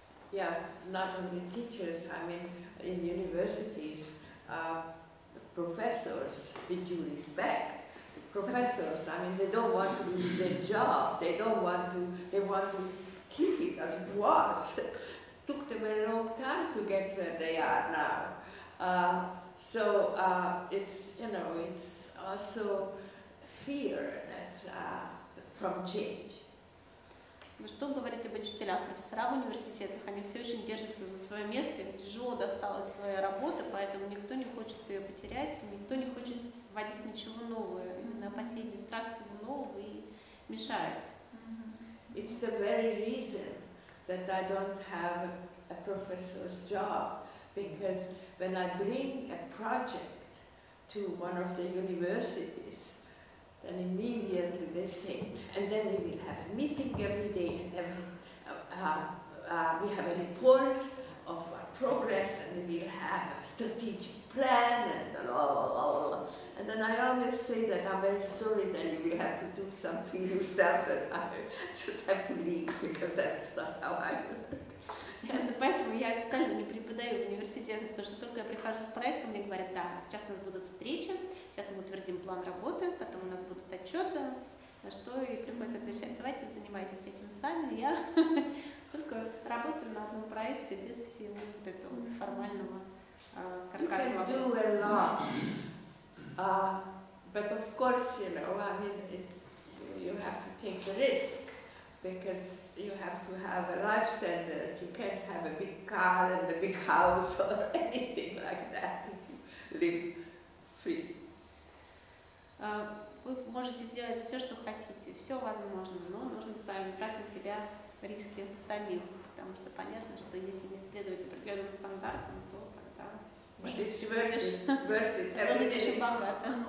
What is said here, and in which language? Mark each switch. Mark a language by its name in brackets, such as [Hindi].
[English] Yeah, not only teachers, I mean, in universities, professors, with due respect, professors, I mean, they don't want to lose their job, they don't want to, they want to keep it as it was. Took them a long time to get where they are now. It's, you know, it's also fear that, from change. [Russian] Ну что говорить об учителях, профессорах университетах, они все очень держатся за свое место, им тяжело досталась своя работа, поэтому никто не хочет ее потерять, никто не хочет вводить ничего нового, именно опасение, страх всего нового и мешает. [English] It's the very reason that I don't have a professor's job, because when I bring a project to one of the universities, then immediately they say, and then we will have a meeting every day, and we have a report of our progress, and we will have a strategic plan, and blah. And then I always say that I'm very sorry that you will have to do something yourself, and I just have to leave, because that's not how I work. [Russian] Поэтому я официально не преподаю в университете, потому что только я прихожу с проектом, мне говорят, да, сейчас у нас будут встречи. Сейчас мы утвердим план работы, потом у нас будут отчеты, на что и приходится отвечать. Давайте занимайтесь этим сами, я только работаю на одном проекте без всего вот этого формального каркаса. [English] You can do a lot, but of course, you know, I mean, you have to take the risk, because you have to have a life standard. You can't have a big car and a big house or anything like that. Live free. [Russian] Вы можете сделать все, что хотите, все возможно, но нужно сами брать на себя риски самих, потому что понятно, что если не следовать определенным стандартам, то тогда будет еще богато.